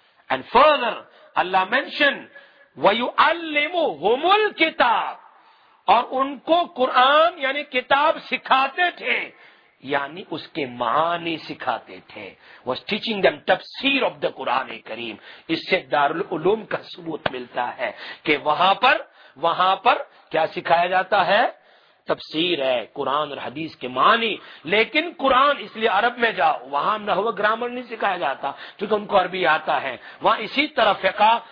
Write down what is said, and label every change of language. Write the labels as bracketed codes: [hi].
[en] And further Allah mentioned [ar] وَيُعَلِّمُهُمُ الْكِتَابِ، [ur] اور ان کو قرآن یعنی کتاب سکھاتے تھے، یعنی اس کے معنی سکھاتے تھے. [en] was teaching them tafsir of the Quran Kareem. [ur] اس سے دار العلوم کا ثبوت ملتا ہے کہ وہاں پر کیا سکھایا جاتا ہے، تفسیر ہے، قرآن اور حدیث کے معنی. لیکن قرآن، اس لیے عرب میں جاؤ، وہاں نحو گرامر نہیں سکھایا جاتا کیونکہ ان کو عربی آتا ہے، وہاں اسی طرح فقہ